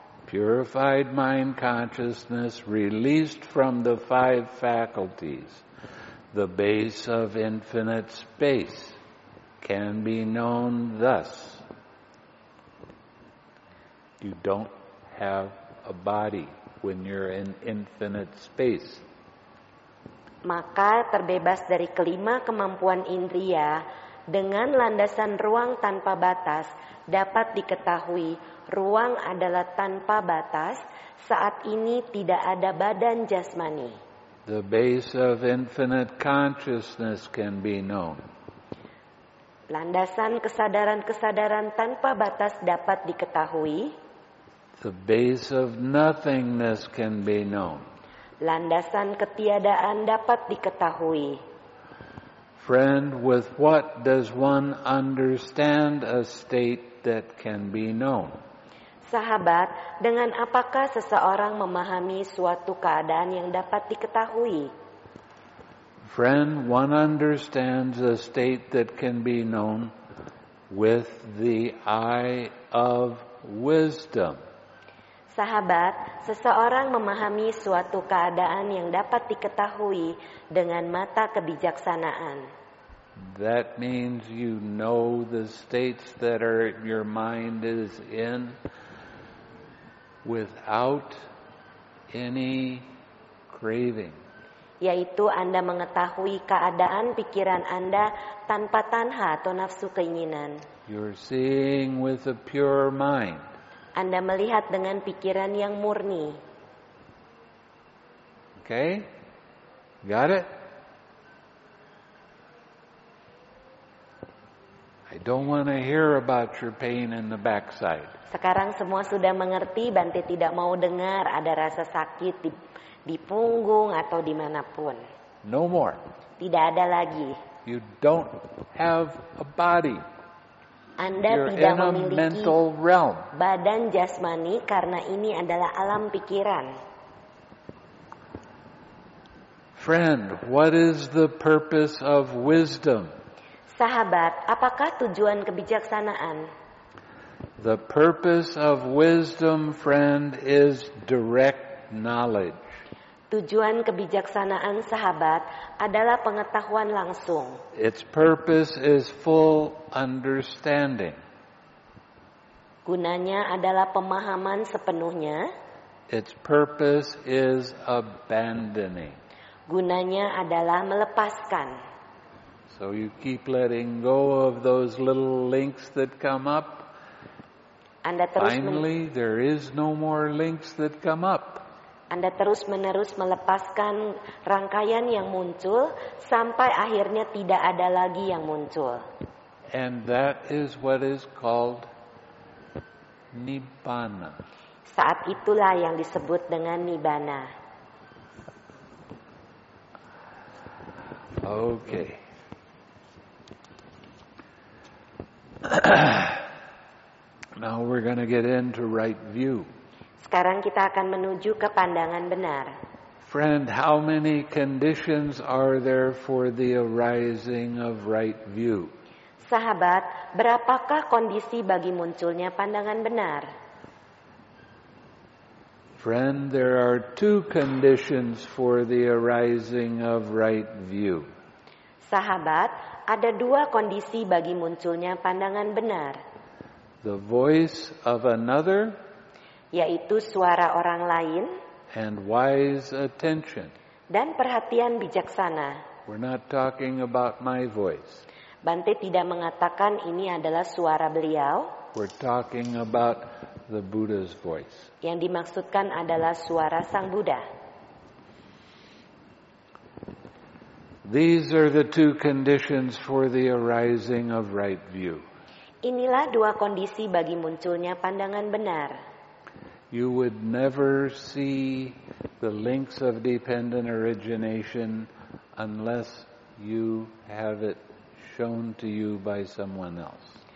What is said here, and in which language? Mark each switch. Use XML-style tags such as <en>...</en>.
<en>Purified mind consciousness released from the five faculties, the base of infinite space, can be known thus. You don't have a body when you're in infinite space.</en> <id>Maka terbebas dari kelima kemampuan indria dengan landasan ruang tanpa batas dapat diketahui ruang adalah tanpa batas saat ini tidak ada badan jasmani.</id> <en>The base of infinite consciousness can be known.</en> <id>Landasan kesadaran-kesadaran tanpa batas dapat diketahui.</id> <en>The base of nothingness can be known.</en> <id>Landasan ketiadaan dapat diketahui.</id> <en>Friend, with what does one understand a state that can be known?</en> <id>Sahabat, dengan apakah seseorang memahami suatu keadaan yang dapat diketahui?</id> <en>Friend, one understands a state that can be known with the eye of wisdom.</en> <id>Sahabat, seseorang memahami suatu keadaan yang dapat diketahui dengan mata kebijaksanaan.</id> <en>That means you know the states that your mind is in without any craving.</en> <id>Yaitu Anda mengetahui keadaan pikiran Anda tanpa tanha atau nafsu keinginan.</id> <en>You're seeing with a pure mind.</en> <id>Anda melihat dengan pikiran yang murni.</id> <en>Okay? Got it? I don't want to hear about your pain in the backside.</en> <id>Sekarang semua sudah mengerti, Bante tidak mau dengar ada rasa sakit di punggung atau dimanapun.</id> <en>No more.</en> <id>Tidak ada lagi.</id> <en>You don't have a body.</en> <id>Anda</id> <en>You're</en> <id>tidak memiliki badan jasmani karena ini adalah alam pikiran.</id> <en>Friend, what is the purpose of wisdom?</en> <id>Sahabat, apakah tujuan kebijaksanaan?</id> <en>The purpose of wisdom, friend, is direct knowledge.</en> <id>Tujuan kebijaksanaan, sahabat, adalah pengetahuan langsung.</id> <en>Its purpose is full understanding.</en> <id>Gunanya adalah pemahaman sepenuhnya.</id> <en>Its purpose is abandoning.</en> <id>Gunanya adalah melepaskan.</id> <en>So you keep letting go of those little links that come up.</en> <id>Anda terus</id> <en>Finally, there is no more links that come up.</en> <id>Anda terus-menerus melepaskan rangkaian yang muncul sampai akhirnya tidak ada lagi yang muncul.</id> <en>And that is what is called Nibbana.</en> <id>Saat itulah yang disebut dengan Nibbana.</id> <en>Okay. Now we're going to get into right view.</en> <id>Sekarang kita akan menuju ke pandangan benar.</id> <en>Friend, how many conditions are there for the arising of right view?</en> <id>Sahabat, berapakah kondisi bagi munculnya pandangan benar?</id> <en>Friend, there are two conditions for the arising of right view.</en> <id>Sahabat, ada dua kondisi bagi munculnya pandangan benar.</id> <en>The voice of another,</en> <id>yaitu suara orang lain,</id> <en>and wise attention,</en> <id>dan perhatian bijaksana.</id> <en>We're not talking about my voice.</en> <id>Bante tidak mengatakan ini adalah suara beliau.</id> <en>We're talking about the Buddha's voice.</en> <id>Yang dimaksudkan adalah suara Sang Buddha.</id> <en>These are the two conditions for the arising of right view.</en> <id>Inilah dua kondisi bagi munculnya pandangan benar.</id> <en>You would never see the links of dependent origination unless you have it shown to you by someone else.</en>